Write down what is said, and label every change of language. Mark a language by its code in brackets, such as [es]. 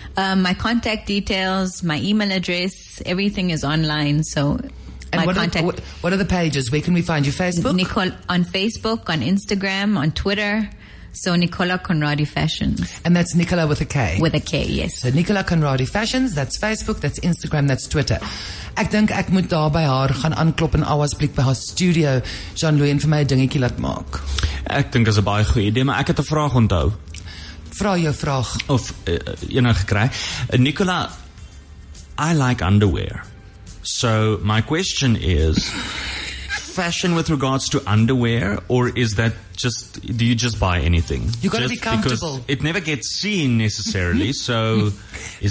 [en] My contact details, my email address, everything is online. So What are the pages? Where can we find you? Facebook? Nicola on Facebook, on Instagram, on Twitter. So Nicola Conradi Fashions. And that's Nicola with a K? With a K, yes. So Nicola Conradi Fashions, that's Facebook, that's Instagram, that's Twitter. [af] Ek dink ek moet daar by haar gaan aanklop en Auersblick by haar studio, Jean-Louis, en vir my 'n dingetjie laat maak. Ek dink dit is 'n baie goeie idee, maar ek het 'n vraag onthou. Vra jou vraag. Of enige gekry. [en] Nicola, I like underwear. So my question is... fashion with regards to underwear, or is that just, do you just buy anything? You gotta be comfortable. It never gets seen necessarily, so is